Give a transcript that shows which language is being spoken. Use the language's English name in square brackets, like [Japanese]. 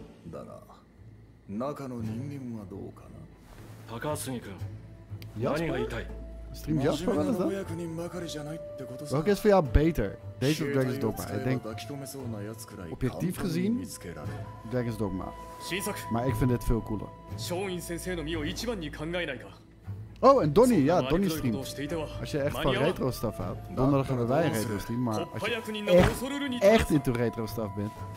[Japanese] だが、中の人間はどうかな。高杉君、何が言いたい。真面目なお役人ばかりじゃないってことさ。 [Dutch] Welke is voor jou beter? Deze of Dragon's Dogma? Ik denk, objectief gezien, Dragon's Dogma. Maar ik vind dit veel cooler. [Japanese] 松陰先生の身を一番に考えないか。 [Dutch] Oh, en Donnie, ja, Donnie streamt. Als je echt van [English] retro stuff [Dutch] houdt, donderdag hebben wij een retro stream, maar als je echt, echt [English] into retro stuff [Dutch] bent.